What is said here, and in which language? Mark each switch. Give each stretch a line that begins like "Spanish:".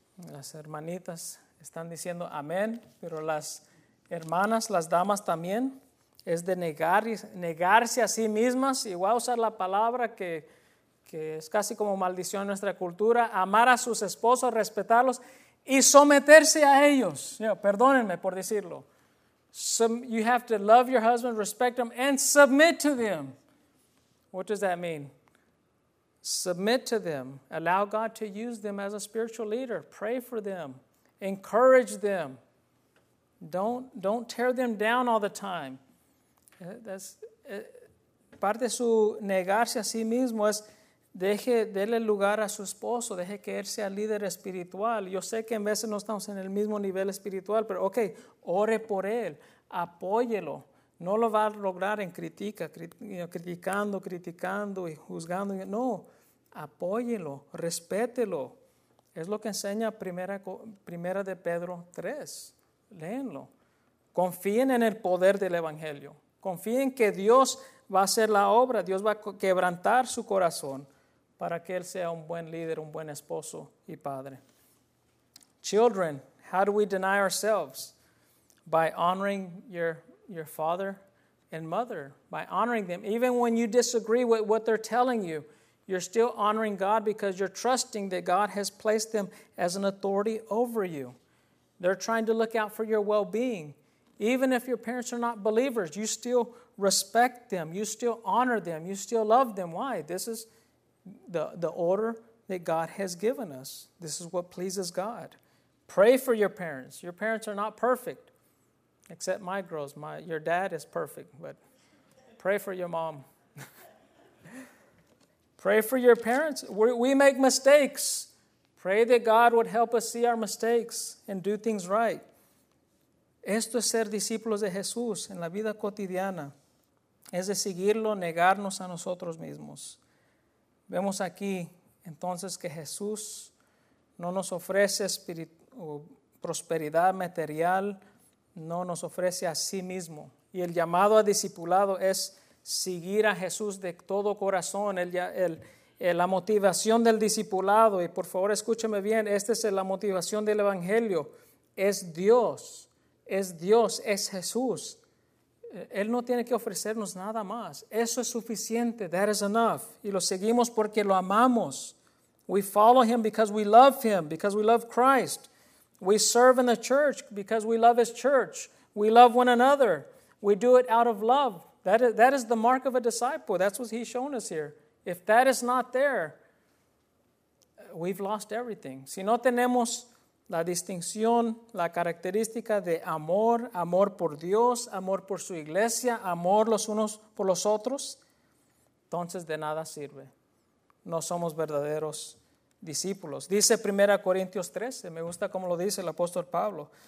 Spanish: Las hermanitas están diciendo amén, pero las hermanas, las damas también, es de negarse a sí mismas. Y voy a usar la palabra que es casi como maldición en nuestra cultura, amar a sus esposos, respetarlos y someterse a ellos.
English: You know,
Spanish: perdónenme por decirlo.
English: You have to love your husband, respect him, and submit to them. What does that mean? Submit to them. Allow God to use them as a spiritual leader. Pray for them. Encourage them. Don't tear them down all the time. That's
Spanish: parte de su negarse a sí mismo es deje, dele lugar a su esposo, deje que él sea líder espiritual. Yo sé que en veces no estamos en el mismo nivel espiritual, pero ok, ore por él, apóyelo. No lo va a lograr en criticando y juzgando. No, apóyelo, respételo. Es lo que enseña primera de Pedro 3. Léenlo. Confíen en el poder del Evangelio. Confíen que Dios va a hacer la obra, Dios va a quebrantar su corazón para que él sea un buen líder, un buen esposo y padre.
English: Children, how do we deny ourselves? By honoring your father and mother, by honoring them. Even when you disagree with what they're telling you, you're still honoring God because you're trusting that God has placed them as an authority over you. They're trying to look out for your well-being. Even if your parents are not believers, you still respect them. You still honor them. You still love them. Why? This is the order that God has given us. This is what pleases God. Pray for your parents. Your parents are not perfect, except my girls. Your dad is perfect, but pray for your mom. Pray for your parents. We make mistakes. Pray that God would help us see our mistakes and do things right.
Spanish: Esto es ser discípulos de Jesús en la vida cotidiana. Es de seguirlo, negarnos a nosotros mismos. Vemos aquí entonces que Jesús no nos ofrece prosperidad material, no nos ofrece a sí mismo. Y el llamado a discipulado es seguir a Jesús de todo corazón. La motivación del discipulado, y por favor escúcheme bien, esta es la motivación del Evangelio, es Dios, es Jesús. Él no tiene que ofrecernos nada más. Eso es suficiente.
English: That is enough.
Spanish: Y lo seguimos porque lo amamos.
English: We follow him because we love him, because we love Christ. We serve in the church because we love his church. We love one another. We do it out of love. That is the mark of a disciple. That's what he's shown us here. If that is not there, we've lost everything.
Spanish: Si no tenemos la distinción, la característica de amor, amor por Dios, amor por su iglesia, amor los unos por los otros, entonces de nada sirve. No somos verdaderos discípulos. Dice 1 Corintios 13, me gusta cómo lo dice el apóstol Pablo.